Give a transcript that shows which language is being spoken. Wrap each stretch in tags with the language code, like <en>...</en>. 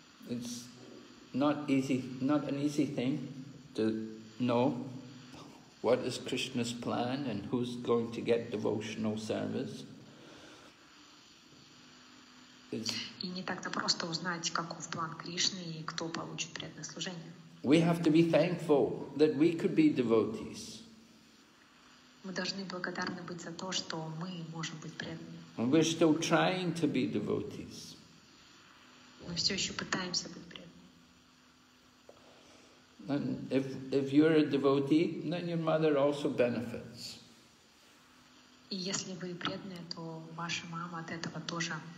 <en>It's not an easy thing to know what is Krishna's plan and who's going to get devotional service.</en> <ru>И не так-то просто узнать, каков план Кришны и кто получит преданное служение.</ru> <en>We have to be thankful that we could be devotees.</en> <ru>Мы должны благодарны быть за то, что мы можем быть преданными.</ru> <en>And we're still trying to be devotees.</en> <ru>Мы все еще пытаемся быть преданными.</ru> <en>And if you're a devotee, then your mother also benefits.</en> <ru>И если вы преданные, то ваша мама от этого тоже</ru>